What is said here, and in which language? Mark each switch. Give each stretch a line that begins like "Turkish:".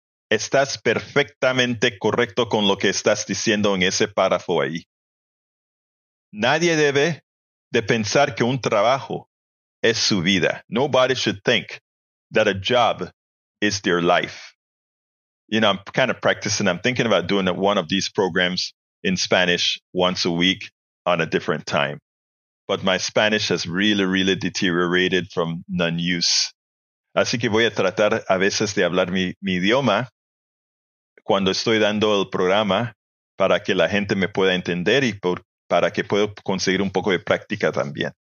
Spanish: Estás perfectamente correcto con lo que estás diciendo en ese párrafo ahí. Nadie debe de pensar que un trabajo es su vida.
English: Nobody should think that a job is their life. You know, I'm kind of practicing. I'm thinking about doing one of these programs in Spanish once a week on a different time. But my Spanish has really, really deteriorated from non-use.
Spanish: Así que voy a tratar a veces de hablar mi idioma cuando estoy dando el programa para que la gente me pueda entender y para que pueda conseguir un poco de práctica también.